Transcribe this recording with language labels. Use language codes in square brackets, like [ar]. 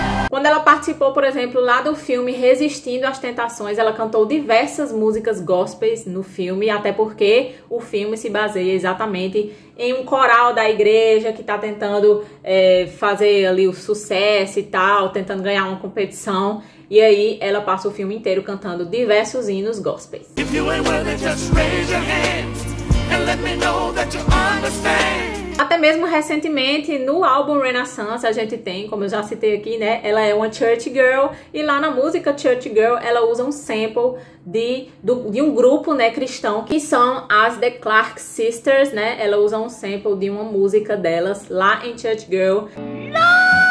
[pt] Quando ela participou, por exemplo, lá do filme Resistindo às Tentações, ela cantou diversas músicas gospels no filme, até porque o filme se baseia exatamente em um coral da igreja que tá tentando fazer ali o sucesso e tal, tentando ganhar uma competição, e aí ela passa o filme inteiro cantando diversos hinos gospels. [en] If you ain't willing, just raise your hands and let me know that you understand. [pt] Até mesmo recentemente, no álbum Renaissance, a gente tem, como eu já citei aqui, né? Ela é uma church girl. E lá na música Church Girl, ela usa um sample de um grupo, né, cristão, que são as The Clark Sisters, né? Ela usa um sample de uma música delas lá em Church Girl. Não!